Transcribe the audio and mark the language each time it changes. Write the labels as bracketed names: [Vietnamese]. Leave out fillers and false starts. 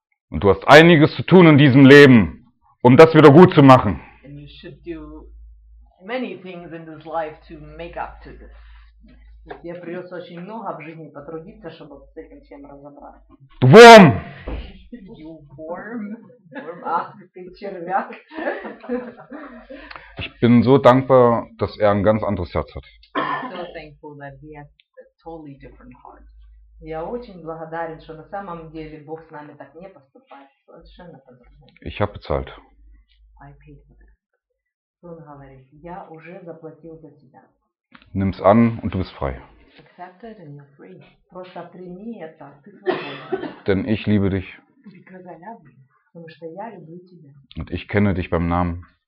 [German] Und du hast einiges zu tun in diesem Leben, um das wieder gut zu machen. [English] And you should do many things in this life to make up to this. [Russian] Тебе придется очень много в жизни потрудиться, чтобы с этим всем разобраться. [English] Дворм! You worm? Worm, [Russian] ach, ты червяк. [German] Ich bin so dankbar, dass er ein ganz anderes Herz hat. [English] So thankful that he has a totally different heart. [Russian] Я очень благодарен, что на самом деле Бог с нами так не поступает. Совершенно по-другому. [German] Ich habe bezahlt. [English] I paid for that. [Russian] Он говорит, я уже заплатил за тебя. [German] Nimm's an und du bist frei. [English] Accept it and you're free. [Russian] Просто прими это, ты свободен. [German] Denn ich liebe dich. [English] Because I love you. [German] Und ich kenne dich beim Namen.